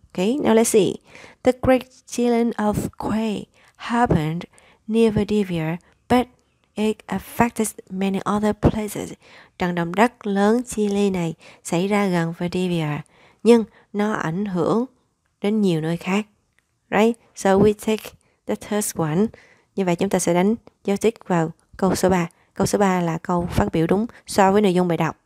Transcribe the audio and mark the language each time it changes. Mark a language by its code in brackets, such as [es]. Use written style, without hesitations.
[en] Okay, now let's see. The Great Chilean earthquake happened near Valdivia, but it affected many other places. [vi] Trận động đất lớn Chile này xảy ra gần Valdivia, nhưng nó ảnh hưởng đến nhiều nơi khác. Right? [en] So we take the third one. [vi] Như vậy chúng ta sẽ đánh dấu tích vào câu số 3. Câu số 3 là câu phát biểu đúng so với nội dung bài đọc.